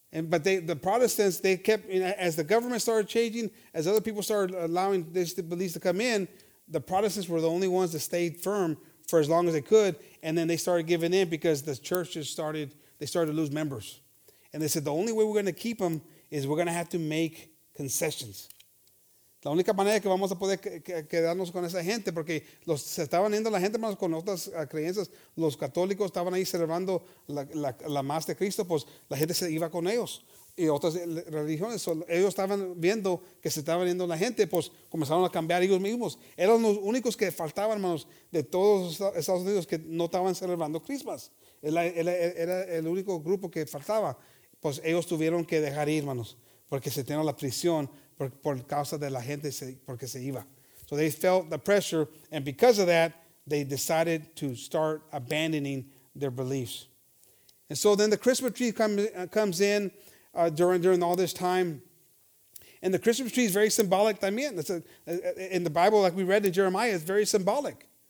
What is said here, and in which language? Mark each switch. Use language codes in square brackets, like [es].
[en] But the Protestants, they kept, you know, as the government started changing, as other people started allowing these beliefs to come in, the Protestants were the only ones that stayed firm for as long as they could. And then they started giving in because the churches started to lose members. And they said, the only way we're going to keep them is we're going to have to make concessions. [es] La única manera que vamos a poder quedarnos con esa gente, porque los se estaban yendo la gente con otras creencias, los católicos estaban ahí celebrando la más de Cristo, pues la gente se iba con ellos y otras religiones. So, ellos estaban viendo que se estaban yendo la gente, pues comenzaron a cambiar ellos mismos. Eran los únicos que faltaban, hermanos, de todos los Estados Unidos que no estaban celebrando Christmas. Era el único grupo que faltaba. Pues ellos tuvieron que dejar ir, hermanos, porque se tenía la prisión. Por causa de la gente, porque se iba. [en] So they felt the pressure, and because of that, they decided to start abandoning their beliefs. And so then the Christmas tree comes in during all this time. And the Christmas tree is very symbolic también. It's in the Bible, like we read in Jeremiah, it's very symbolic.